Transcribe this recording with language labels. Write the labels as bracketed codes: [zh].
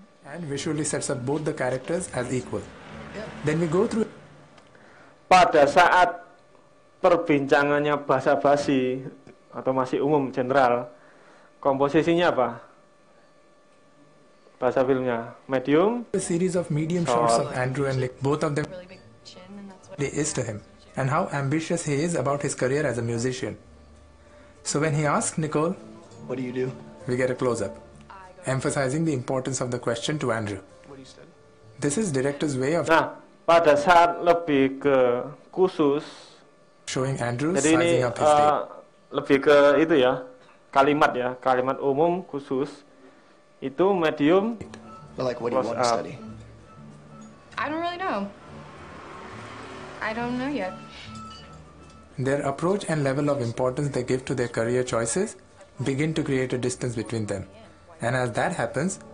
[en] And visually sets up both the characters as equal. Then we go through. [id] Pada saat perbincangannya basa-basi atau masih umum general, komposisinya apa? Bahasa filmnya medium. [en] A series of medium shots of Andrew and Lick, both of them. They is to him, and how ambitious he is about his career as a musician. So when he asks Nicole, "What do you do?" we get a close-up, emphasizing the importance of the question to Andrew. This is director's way of. [id] Nah, pada saat lebih ke khusus. [en] Showing Andrew sizing up his day. [id] Jadi ini lebih ke itu ya, kalimat umum khusus. Itu medium. [en] But like, what do you want to study? I don't really know. I don't know yet. Their approach and level of importance they give to their career choices begin to create a distance between them. And as that happens,